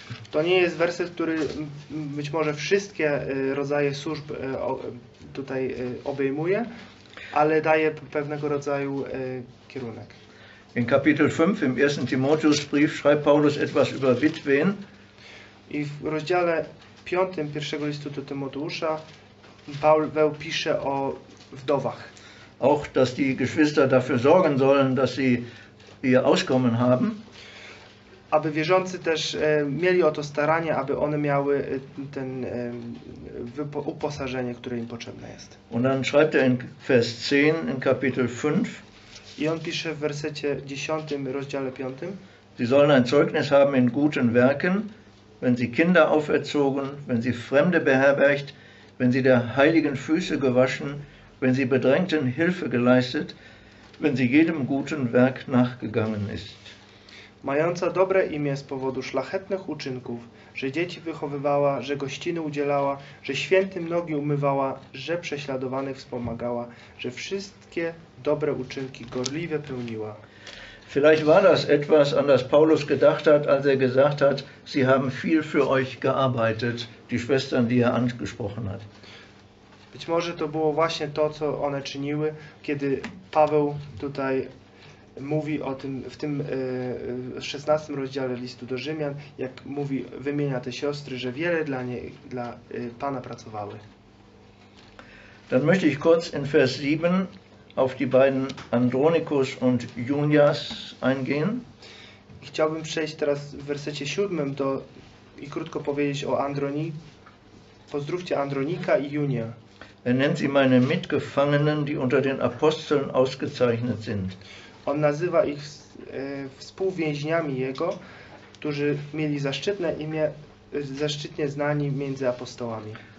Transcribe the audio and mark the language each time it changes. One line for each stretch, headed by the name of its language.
Polish: To nie jest werset, który być może wszystkie rodzaje służb tutaj obejmuje, ale daje pewnego rodzaju kierunek.
German: In Kapitel 5 im ersten Timotheusbrief schreibt Paulus etwas über Witwen.
Polish: I w rozdziale 5 pierwszego listu do Tymoteusza Paweł pisze o wdowach.
German: Auch, dass die Geschwister dafür sorgen sollen, dass sie ihr Auskommen haben.
Polish: Aby wierzący też mieli o to staranie, aby one miały ten uposażenie, które im potrzebne jest.
German: Und dann schreibt in Vers 10 in Kapitel 5.
Polish: I on pisze w wersecie 10, rozdziale 5.
German: Sie sollen ein Zeugnis haben in guten Werken, wenn sie Kinder auferzogen, wenn sie Fremde beherbergt, wenn sie der heiligen Füße gewaschen, wenn sie Bedrängten Hilfe geleistet, wenn sie jedem guten Werk nachgegangen ist.
Polish: mająca dobre imię z powodu szlachetnych uczynków, że dzieci wychowywała, że gościny udzielała, że świętym nogi umywała, że prześladowanych wspomagała, że wszystkie dobre uczynki gorliwie pełniła.
German: Vielleicht war das etwas, an das Paulus gedacht hat, als er gesagt hat, sie haben viel für euch gearbeitet, die Schwestern, die er angesprochen hat.
Polish: Być może to było właśnie to, co one czyniły, kiedy Paweł tutaj mówi o tym, w tym 16 rozdziale listu do Rzymian, jak mówi, wymienia te siostry, że wiele dla niej, dla Pana pracowały.
German: Dann möchte ich kurz in Vers 7 auf die beiden Andronikus und Junias eingehen.
Polish: Chciałbym przejść teraz w wersecie 7 do i krótko powiedzieć o Androni. Pozdrówcie Andronika i Junia.
German: Er nennt sie meine Mitgefangenen, die unter den Aposteln ausgezeichnet sind.
Polish: On nazywa ich współwięźniami jego, którzy mieli zaszczytne imię, zaszczytnie znani między apostołami.